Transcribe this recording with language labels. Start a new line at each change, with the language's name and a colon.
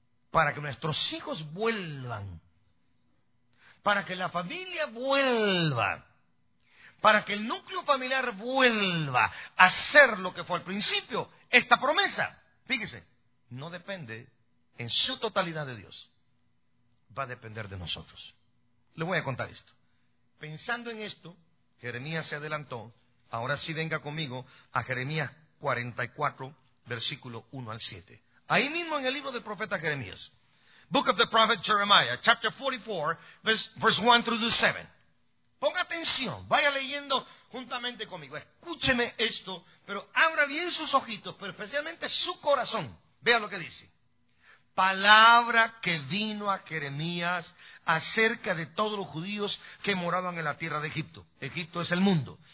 Spanish: Para que nuestros hijos vuelvan, para que la familia vuelva, para que el núcleo familiar vuelva a ser lo que fue al principio, esta promesa, fíjese, no depende en su totalidad de Dios, va a depender de nosotros. Le voy a contar esto. Pensando en esto, Jeremías se adelantó, ahora sí venga conmigo a Jeremías 44, versículo 1 al 7. Ahí mismo en el libro del profeta Jeremías.
English: Book of the prophet Jeremiah, chapter 44, verse 1 through 7.
Spanish: Ponga atención, vaya leyendo juntamente conmigo. Escúcheme esto, pero abra bien sus ojitos, pero especialmente su corazón. Vea lo que dice. Palabra que vino a Jeremías acerca de todos los judíos que moraban en la tierra de Egipto. Egipto es el mundo.